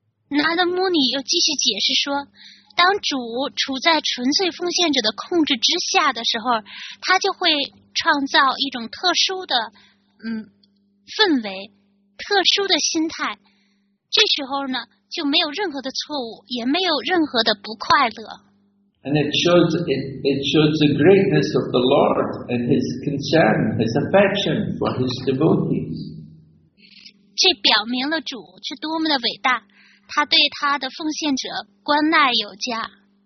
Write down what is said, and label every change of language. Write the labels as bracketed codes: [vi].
[zh] Narada Muni 又继续解释说，当主处在纯粹奉献者的控制之下的时候，他就会创造一种特殊的氛围，特殊的心态。这时候呢，就没有任何的错误，也没有任何的不快乐。 [en] And it shows the greatness of the Lord and His concern, His affection for His devotees. [zh] 这表明了主是多么的伟大，他对他的奉献者关爱有加。